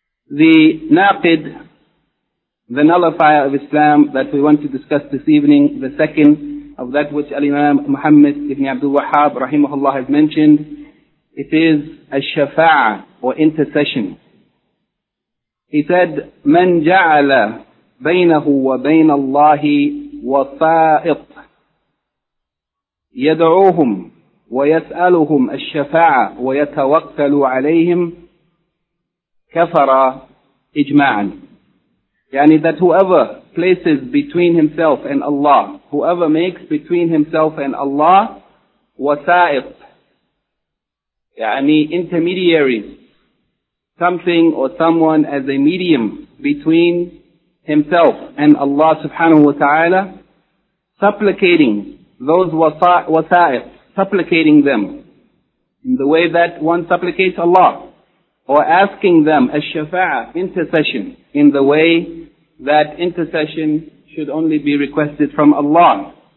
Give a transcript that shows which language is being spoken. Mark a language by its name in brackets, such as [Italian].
[English] The naqid, the nullifier of Islam that we want to discuss this evening, the second of that which Al-Imam Muhammad ibn Abdul Wahhab, rahimahullah, has mentioned, it is al-shafa'a, or intercession. [Arabic] He said, من جعل بينه وبين الله وسائط يدعوهم ويسألهم الشفاعة ويتوكل عليهم كفر إجماعا. [English] يعني that whoever places between himself and Allah, whoever makes between himself and Allah وسائط, يعني intermediary, something or someone as a medium between himself and Allah subhanahu wa ta'ala, supplicating those wasa'it, supplicating them in the way that one supplicates Allah, or asking them a shafa'ah, intercession, in the way that intercession should only be requested from Allah,